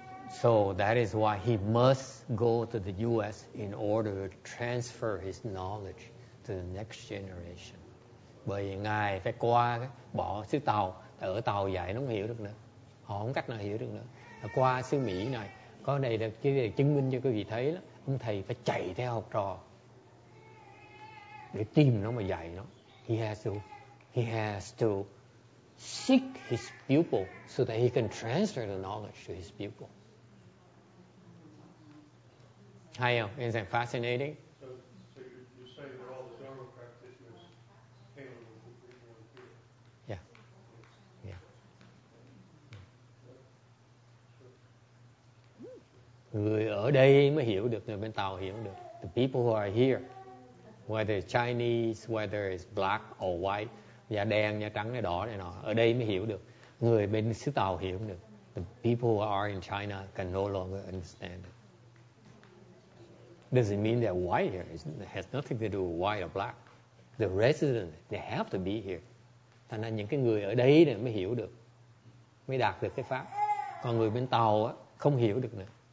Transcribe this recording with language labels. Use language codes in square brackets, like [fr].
[en] So that is why he must go to the U.S. in order to transfer his knowledge to the next generation. [vi] Bởi vì ngài phải qua bỏ xứ Tàu, ở Tàu dạy nó không hiểu được nữa. Họ không cách nào hiểu được nữa. Qua xứ Mỹ này, có đây là chứng minh cho quý vị thấy đó, ông thầy phải chạy theo học trò để tìm nó mà dạy nó. [en] He has to seek his pupil so that he can transfer the knowledge to his pupil. [vi] Hay không? [en] Isn't that fascinating? So you say that all the Dharma practitioners came from the people here. Yeah. Yeah. [vi] Người ở đây mới hiểu được, người bên Tàu hiểu được. [en] The people who are here, whether it's Chinese, whether it's black or white, [vi] da đen, da trắng, da đỏ này nọ, ở đây mới hiểu được. Người bên xứ Tàu hiểu được. [en] The people who are in China can no longer understand it. Doesn't mean they're white here. It has nothing to do with white or black. The residents, they have to be here. [vi] Thành ra những cái người ở đây này mới hiểu được, mới đạt được cái pháp. Còn người bên Tàu á, không hiểu được nữa.